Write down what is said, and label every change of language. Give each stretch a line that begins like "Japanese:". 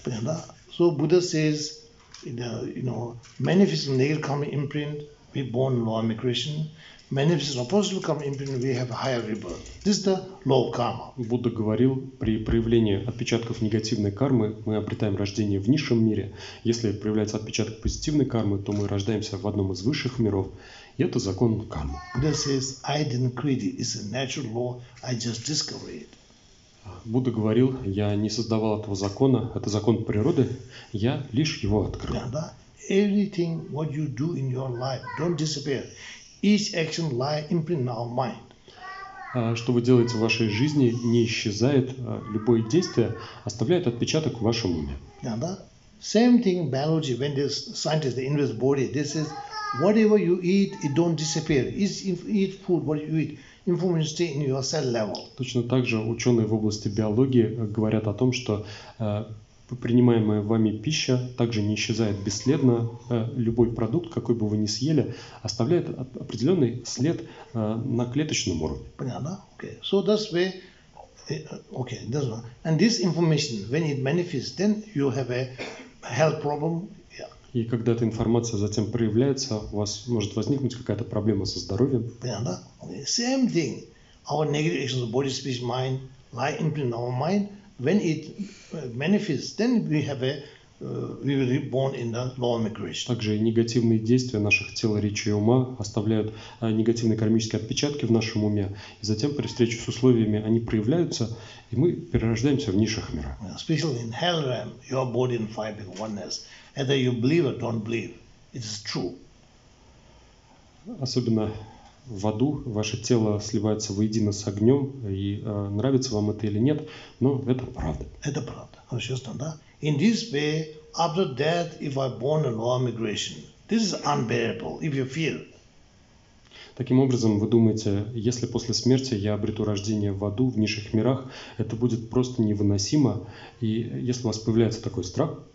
Russian: Понятно, да?
English: So Buddha says, you know, manifest negative karma imprint, we born lower migration. Manifest positive karma imprint, we have higher rebirth. This is the law of karma.
Russian: Будда говорил, при проявлении отпечатков негативной кармы мы обретаем рождение в низшем мире. Если проявляется отпечаток позитивной кармы, то мы рождаемся в одном из высших миров. И это закон кармы.
English: Buddha says, I didn't create it. It's a natural law. I just discovered it.
Russian: Будда говорил, я не создавал этого закона. Это закон природы. Я лишь его открыл. Да, да.
English: Everything what you do in your life don't disappear. Each action lie imprint in our mind.
Russian: Что вы делаете в вашей жизни не исчезает. Любое действие оставляет отпечаток в вашем уме. Да, да.
English: Same thing biology. When the scientists they invest body, this is whatever you eat, it don't disappear. It's if you eat food, what you eat, information stay in your cell level.
Russian: Точно так же ученые в области биологии говорят о том, что принимаемая вами пища также не исчезает бесследно. Любой продукт, какой бы вы ни съели, оставляет определенный след на клеточном уровне. Понятно?
English: Okay. So that's why, okay, that's why. And this information, when it manifests, then you have a health problem.
Russian: И когда эта информация затем проявляется, у вас может возникнуть какая-то проблема со здоровьем. Понятно?
English: Okay. Same thing. Our negative actions of body, speech, mind lie imprint our mind. When it manifests, then we have a we will be born in the lower migration.
Russian: Также негативные действия наших тел, речи и ума оставляют негативные кармические отпечатки в нашем уме. И затем при встрече с условиями они проявляются, и мы перерождаемся в низших мирах.
English: Especially in hell realm, your body and fire being oneness. Whether you believe or don't believe, it is true.
Russian: Особенно в аду ваше тело сливается воедино с огнем, и нравится вам это или нет, но это правда. Это правда. Честно, да?
English: In this way, after death, if I born in lower migration, this is unbearable, if you feel.
Russian: Таким образом, вы думаете, если после смерти я обрету рождение в аду, в низших мирах, это будет просто невыносимо, и если у вас появляется такой страх,